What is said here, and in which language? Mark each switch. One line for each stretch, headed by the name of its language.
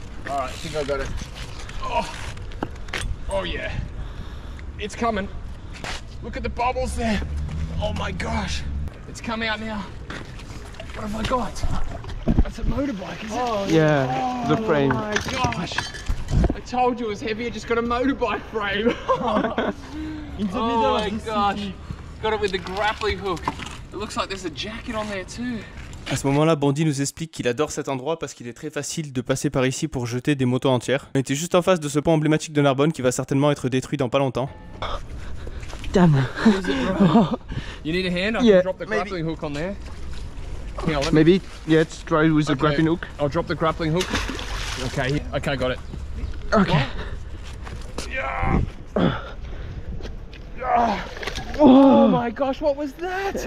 English: Alright, I think I got it. Oh. Oh, yeah. It's coming. Look at the bubbles there. Oh my gosh. It's coming out now. What have I got? That's a motorbike, is it? Yeah, the frame. Oh my gosh! I told you it was heavy, I just got a motorbike frame! Into the middle of the city. Got it with the grappling hook. It looks like there's a jacket on there too.
French: À ce moment-là, Bondi nous explique qu'il adore cet endroit parce qu'il est très facile de passer par ici pour jeter des motos entières. On était juste en face de ce pont emblématique de Narbonne qui va certainement être détruit dans pas longtemps.
English: Damn! You need a hand? I can drop the grappling hook on there. Here, maybe, yeah, let's try with the grappling hook. I'll drop the grappling hook. Okay, okay, got it. Okay. Yeah. Oh my gosh, what was that?